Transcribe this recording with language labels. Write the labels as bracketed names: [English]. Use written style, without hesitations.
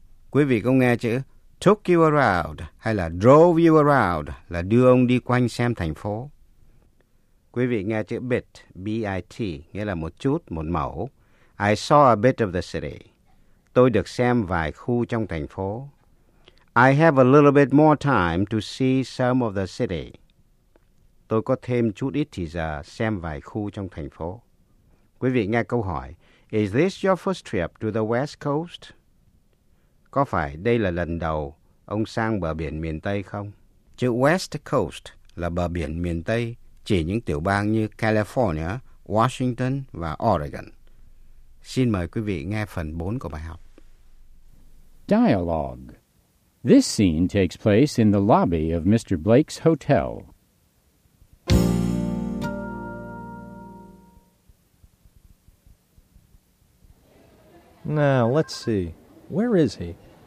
[Vietnamese] Quý vị cũng nghe chữ [English] took you around [Vietnamese] hay là [English] drove you around [Vietnamese] là đưa ông đi quanh xem thành phố. Quý vị nghe chữ bit, B-I-T, nghĩa là một chút, một mẩu. [English] I saw a bit of the city. [Vietnamese] Tôi được xem vài khu trong thành phố. [English] I have a little bit more time to see some of the city. [Vietnamese] Tôi có thêm chút ít thì giờ xem vài khu trong thành phố. Quý vị nghe câu hỏi. [English] Is this your first trip to the West Coast? [Vietnamese] Có phải đây là lần đầu ông sang bờ biển miền Tây không? Chữ West Coast là bờ biển miền Tây, chỉ những tiểu bang như California, Washington và Oregon. Xin mời quý vị nghe phần 4 của bài học. [English] Dialogue. This scene takes place in the lobby of Mr. Blake's hotel. Now, let's see. Where is he?